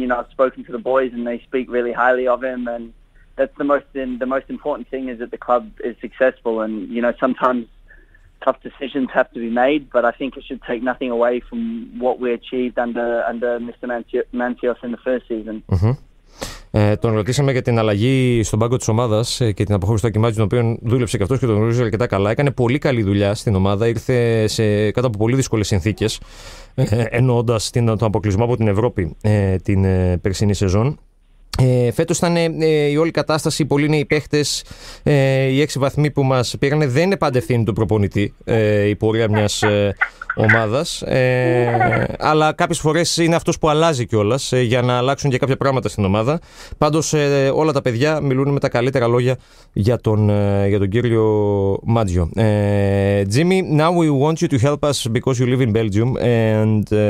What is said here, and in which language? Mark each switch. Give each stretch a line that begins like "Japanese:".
English: You know, I've spoken to the boys and they speak really highly of him, and that's the most important thing, is that the club is successful. And you know, sometimes tough decisions have to be made, but I think it should take nothing away from what we achieved under Mr. Mantios in the first season.
Greek: Τον ρωτήσαμε για την αλλαγή στον πάγκο της ομάδας και την αποχώρηση του Ακυμάτζη, τον οποίο δούλεψε και αυτός και τον γνωρίζει αρκετά καλά. Έκανε πολύ καλή δουλειά στην ομάδα, ήρθε κάτω από πολύ δύσκολες συνθήκες, εννοώντας τον αποκλεισμό από την Ευρώπη την περσινή σεζόν. Φέτος ήταν η όλη κατάσταση, πολλοί είναι οι παίχτες, οι 6 βαθμοί που μας πήρανε. Δεν είναι πάντα ευθύνη του προπονητή η πορεία μιας ομάδας, αλλά κάποιες φορές είναι αυτός που αλλάζει κιόλας για να αλλάξουν και κάποια πράγματα στην ομάδα. Πάντως όλα τα παιδιά μιλούν με τα καλύτερα λόγια για τον κύριο Μάτζιο.
English: Jimmy, now we want you to help us because you live in Belgium and...